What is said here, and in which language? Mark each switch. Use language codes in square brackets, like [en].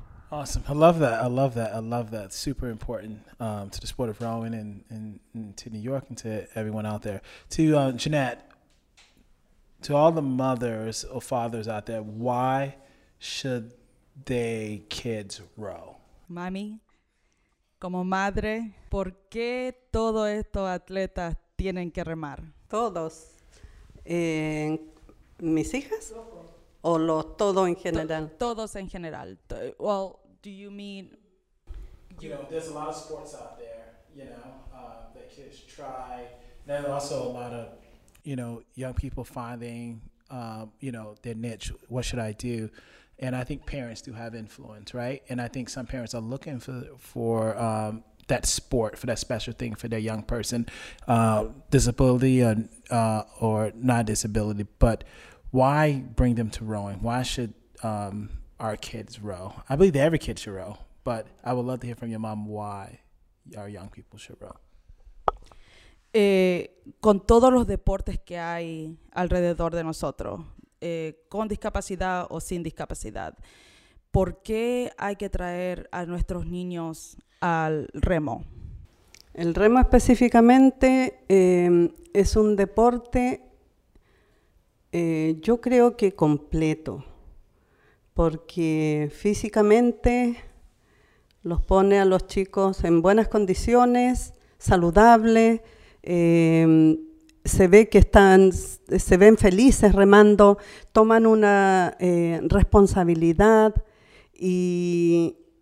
[en] Awesome. I love that. Super important to the sport of rowing and to New York and to everyone out there. To Jeanette, to all the mothers or fathers out there, why should they kids row? [es] Mami, como madre, ¿por qué todos estos atletas tienen que remar? Todos. ¿Mis hijas? ¿O lo todo en general? Todos en general. [en] Well, do you mean... You know, there's a lot of sports out there, you know, that kids try. And then also a lot of, you know, young people finding, you know, their niche. What should I do? And I think parents do have influence, right? And I think some parents are looking for that sport, for that special thing for their young person, disability or not disability. But why bring them to rowing? Why should our kids row? I believe every kid should row, but I would love to hear from your mom why our young people should row. [es] Con todos los deportes que hay alrededor de nosotros, con discapacidad o sin discapacidad, ¿por qué hay que traer a nuestros niños al remo? El remo específicamente es un deporte, yo creo que completo, porque físicamente los pone a los chicos en buenas condiciones, saludables, se ve que están, se ven felices remando, toman una responsabilidad y